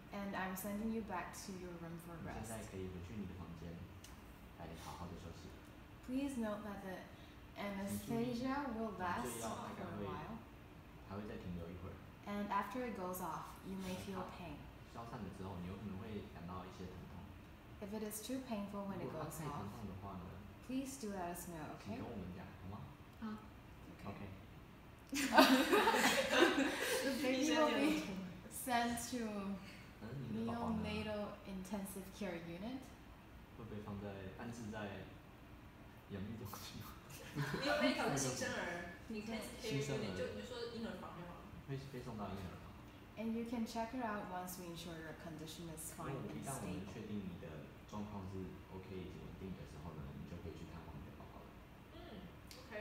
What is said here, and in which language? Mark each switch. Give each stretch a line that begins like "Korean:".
English: And I'm sending you back to your room for rest.
Chinese: 现在可以回去你的房间，来好好的休息。
English: Please note that the anesthesia will last for a while.
Chinese: 还会再停留一会儿。
English: And after it goes off, you may feel pain.
Chinese: 消散了之后，你有可能会感到一些疼痛。
English: If it is too painful when it goes off,
Chinese: 如果太疼痛的话呢？
English: Please do let us know, okay?
Chinese: 请跟我们讲，好吗？
English: Okay. The baby will be sent to neonatal intensive care unit.
Chinese: 会被放在安置在养育中心吗？你有那个新生儿，你可以就你就说婴儿房就好了。会被送到婴儿房。
English: And you can check her out once we ensure your condition is fine and stable.
Chinese: 如果一旦我们确定你的状况是 OK 以及稳定的时候呢，你就可以去看望你的宝宝了。